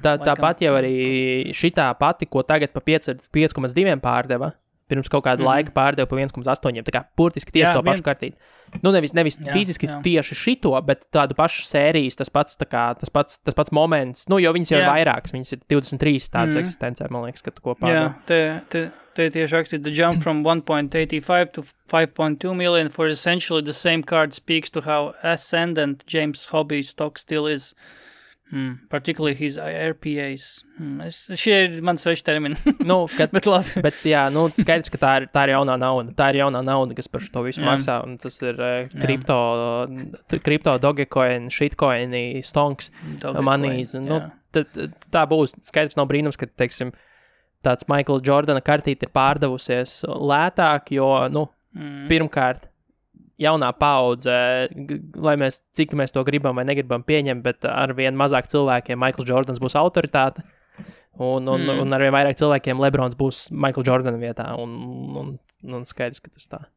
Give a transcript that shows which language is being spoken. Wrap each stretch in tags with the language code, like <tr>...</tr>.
<lv>Tāpat jau arī šitā pati, ko tagad pa 5,2 pārdeva, pirms kaut kādu laiku pārdeva pa 1,8, tā kā purtiski tieši jā, to pašu kartīt. Nu, nevis fiziski tieši šito, bet tādu pašu sērijas, tas pats moments, nu, jo viņas jau ir vairākas, viņas ir 23 tādas eksistencē, man liekas, ka tu kopā. Jā, te tieši rakstīt,</lv> <en>the jump from 1.85 to 5.2 million for essentially the same card speaks to how ascendant James hobby stock still is, particularly his RPAs.</en> <lv>Šie ir mans sveši termini. Nu, kad, bet labi. Bet jā, nu, skaidrs, ka tā ir jaunā nauda. Tā ir jaunā nauda, kas par to visu maksā, un tas ir kripto dogecoin, shitcoin, stonks, manīs. Nu, tā būs. Skaidrs nav brīnums, ka, teiksim, tāds Michael Jordana kartīte ir pārdevusies lētāk, jo, nu, pirmkārt, jaunā paudze, lai mēs, cik mēs to gribam vai negribam pieņemt, bet ar vien mazāk cilvēkiem Michael Jordans būs autoritāte, un ar vien vairāk cilvēkiem LeBrons būs Michael Jordana vietā, un skaidrs, ka tas tā.</lv>